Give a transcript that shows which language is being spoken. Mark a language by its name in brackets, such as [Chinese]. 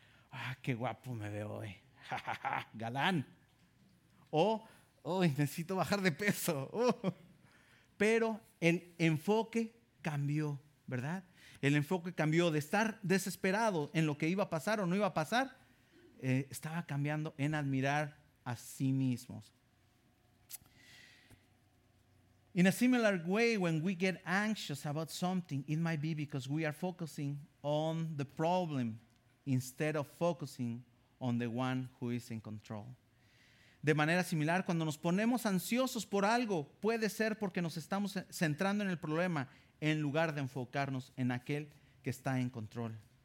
[Spanish] ¡Ah, qué guapo me veo hoy! ¡Galán! O, ¡ay, necesito bajar de peso! Pero el enfoque cambió, ¿verdad? El enfoque cambió de estar desesperado en lo que iba a pasar o no iba a pasar, estaba cambiando en admirar a sí mismos. [English] In a similar way, when we get anxious about something, it might be because we are focusing on the problem instead of focusing on the one who is in control. [Spanish] De manera similar, cuando nos ponemos ansiosos por algo, puede ser porque nos estamos centrando en el problema en lugar de enfocarnos en aquel que está en control.